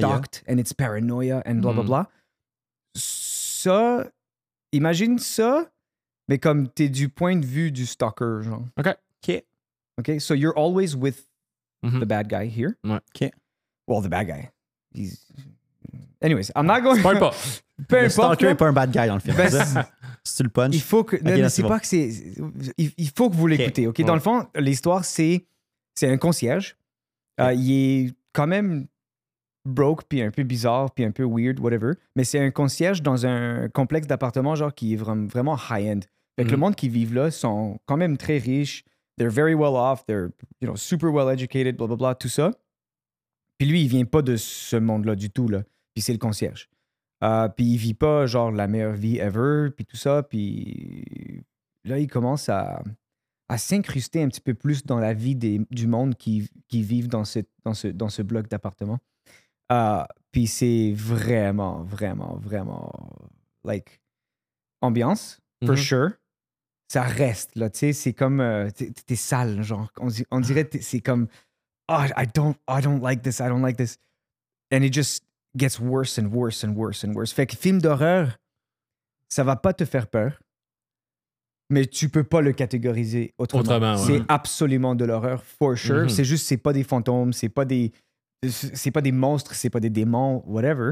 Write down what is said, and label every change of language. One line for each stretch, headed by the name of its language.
English: Stalked and it's paranoia and blah, blah, blah.
French: Ça, imagine ça, mais comme t'es du point de vue du stalker, genre.
English: Okay. Okay. Okay, so you're always with the bad guy here.
French: Ouais.
English: Okay. Well, the bad guy. He's... Anyways, I'm not going...
French: Spoil pas. Peu importe. Le stalker est pas un
English: bad guy
French: dans le film. Ben, c'est le punch. Il faut que... Okay, non, mais c'est pas que c'est... Il faut que vous l'écoutez, okay? Dans le fond, l'histoire, c'est un concierge. Il est quand même broke, puis un peu bizarre, puis un peu
English: weird, whatever.
French: Mais c'est un concierge dans un complexe d'appartements genre qui est vraiment high-end. Fait que le monde qui vit là sont quand même très riches.
English: They're very well off. They're, you know, super well educated, blah, blah, blah,
French: tout ça. Puis lui, il vient pas de ce monde-là du tout, là. Puis c'est le concierge. Puis il vit pas genre la meilleure vie ever, puis tout ça. Puis là, il commence à s'incruster un petit peu plus dans la vie du monde qui vivent dans ce bloc d'appartement. Puis c'est vraiment, vraiment, vraiment...
English: Like, ambiance, for sure.
French: Ça reste, là, tu sais, c'est comme... t'es sale, genre. On dirait que c'est comme...
English: Oh, I don't like this. And it just gets worse and worse and worse and worse.
French: Fait que film d'horreur, ça va pas te faire peur. Mais tu peux pas le catégoriser autrement. Ouais. C'est absolument de l'horreur,
English: for sure.
French: Mm-hmm. C'est juste, c'est pas des fantômes, c'est pas des monstres, c'est pas des démons, whatever.